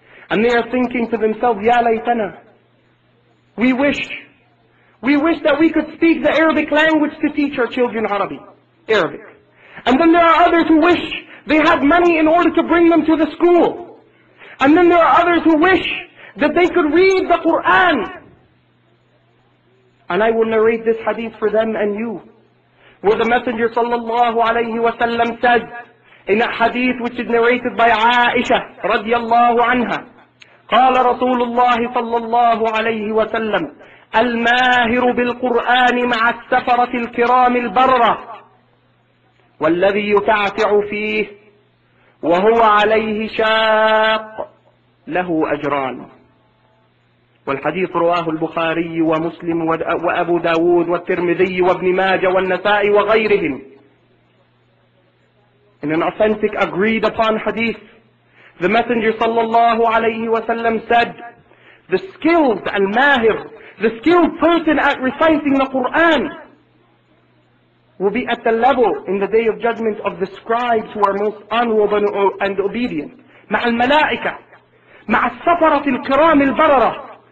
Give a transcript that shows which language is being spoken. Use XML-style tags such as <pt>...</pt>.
<en>And they are thinking to themselves,</en> <ar>Ya Laytana,</ar> <en>we wish that we could speak the Arabic language to teach our children Arabic. And then there are others who wish they had money in order to bring them to the school. And then there are others who wish that they could read the Quran. And I will narrate this hadith for them and you. Where the Messenger sallallahu alayhi wa sallam said, in a hadith which is narrated by Aisha radiallahu anha,</en> <ar>قال رسول الله صلى الله عليه وسلم الماهر بالقرآن مع السفرة الكرام البررة والذي يتعتع فيه وهو عليه شاق له أجران. والحديث رواه البخاري ومسلم وأبو داود والترمذي وابن ماجه والنسائي وغيرهم.</ar> <en>In an authentic agreed upon hadith, the Messenger sallallahu alayhi wa sallam said, the skilled al-mahir, the skilled person at reciting the Qur'an, will be at the level in the Day of Judgment of the scribes who are most honorable and obedient.</en> <ar>مع الملائكة مع السفرة الكرام البررة.</ar>